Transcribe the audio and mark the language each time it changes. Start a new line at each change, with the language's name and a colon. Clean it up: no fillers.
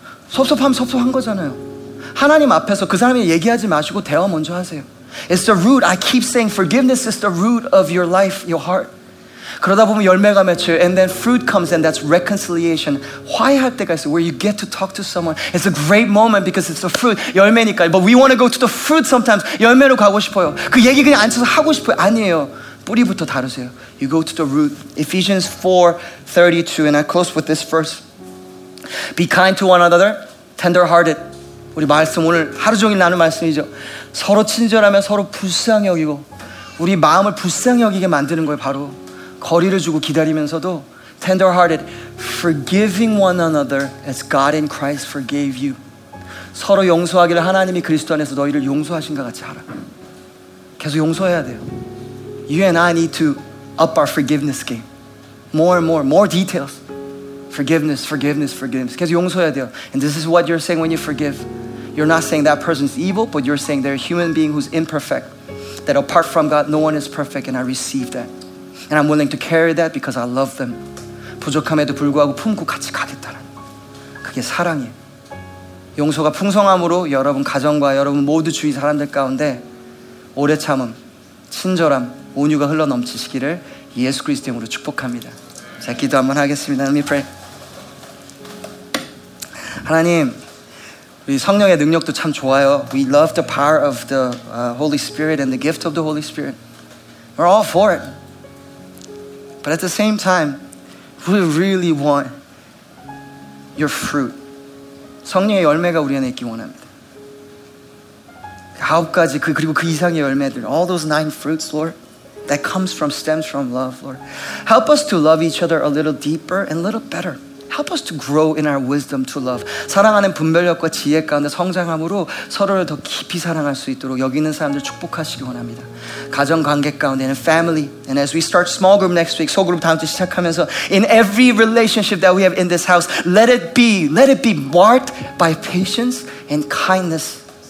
Korean: 섭섭하면 섭섭한 거잖아요. 하나님 앞에서 그 사람이 얘기하지 마시고 대화 먼저 하세요.
English: It's the root. I keep saying forgiveness is the root of your life, your heart.
Korean: 그러다 보면 열매가 맺혀요.
English: And then fruit comes and that's reconciliation.
Korean: 화해할 때가 있어요.
English: Where you get to talk to someone. It's a great moment because it's the fruit.
Korean: 열매니까.
English: But we want to go to the fruit sometimes.
Korean: 열매로 가고 싶어요. 그 얘기 그냥 앉혀서 하고 싶어요. 아니에요. 뿌리부터 다루세요.
English: You go to the root. Ephesians 4:32. And I close with this verse. Be kind to one another. Tender-hearted.
Korean: 우리 말씀 오늘 하루 종일 나눈 말씀이죠. 서로 친절하면 서로 불쌍히 여기고 우리 마음을 불쌍히 여기게 만드는 거예요. 바로 거리를 주고 기다리면서도
English: tender-hearted, forgiving one another as God in Christ forgave you.
Korean: 서로 용서하기를 하나님이 그리스도 안에서 너희를 용서하신 것 같이 하라. 계속 용서해야 돼요.
English: You and I need to up our forgiveness game. More and more, more details. Forgiveness, forgiveness, forgiveness.
Korean: 계속 용서해야 돼요.
English: And this is what you're saying when you forgive. You're not saying that person's evil, but you're saying they're a human being who's imperfect. That apart from God, no one is perfect, and I receive that. And I'm willing to carry that because I love them.
Korean: 부족함에도 불구하고 품고 같이 가겠다는. 그게 사랑이에요. 용서가 풍성함으로 여러분 가정과 여러분 모두 주위 사람들 가운데 오래 참음, 친절함, 온유가 흘러 넘치시기를 예수 그리스도 이름으로 축복합니다. 자, 기도 한번 하겠습니다.
English: Let me pray.
Korean: 하나님, 우리 성령의 능력도 참 좋아요.
English: We love the power of the Holy Spirit and the gift of the Holy Spirit. We're all for it. But at the same time, we really want your fruit.
Korean: 성령의 열매가 우리 안에 있기 원합니다. 아홉 가지, 그리고 그 이상의 열매들.
English: All those nine fruits, Lord, that stems from love, Lord. Help us to love each other a little deeper and a little better. Help us to grow in our wisdom to love.
Korean: 사랑하는 분별력과 지혜 가운데 성장함으로 서로를 더 깊이 사랑할 수 있도록 여기 있는 사람들 축복하시기 원합니다. 가정 관계 가운데는 family.
English: And as we start small group next week,
Korean: 소그룹 다음 주 시작하면서
English: in every relationship that we have in this house, let it be marked by patience and kindness.